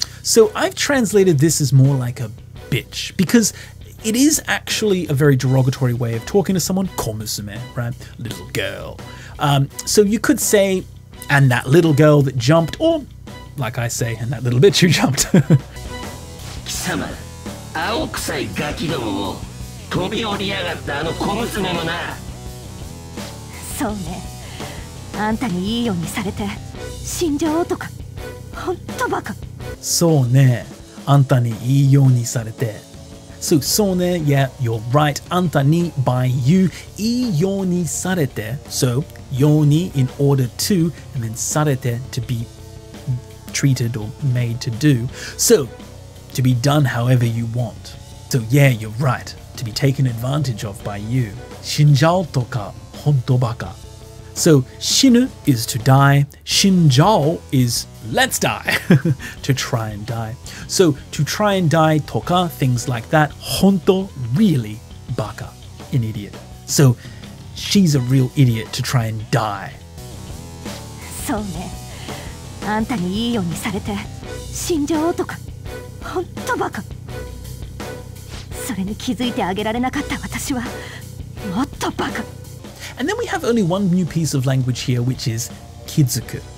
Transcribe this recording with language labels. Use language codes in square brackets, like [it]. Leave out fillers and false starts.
[en] So I've translated this as more like a bitch because it is actually a very derogatory way of talking to someone. Komusume, right? Little girl. So you could say, and that little girl that jumped, or like I say, and that little bitch who jumped. [ja] Kisama, 青臭いガキどもも。飛び降りやがったあの小娘もな。そうね。あんたにいいようにされて死んじゃおうとか、ほんとバカ。そうね、あんたにいいようにされて。 [en] So, [ja] そうね、 [en] yeah, you're right. [ja] あんたに、 [en] by you, [ja] いいようにされて。 [en] So, ように in order to, and then [ja] されて, [en] to be treated or made to do. So, to be done however you want. So, yeah, you're right. To be taken advantage of by you. [ja] 死んじゃおとか、ほんとバカ。 [en] So, 死ぬ is to die. [ja] 死んじゃお [en] is let's die. to try and die. So, to try and die とか, things like that. [ja] 本当, [en] really, バカ, an idiot. So, she's a real idiot to try and die. [ja] そうね。あんたにいいようにされて死んじゃおうとか、本当バカ。それに気づいてあげられなかった私はもっとバカ。 [en] And then we have only one new piece of language here, which is kizuku.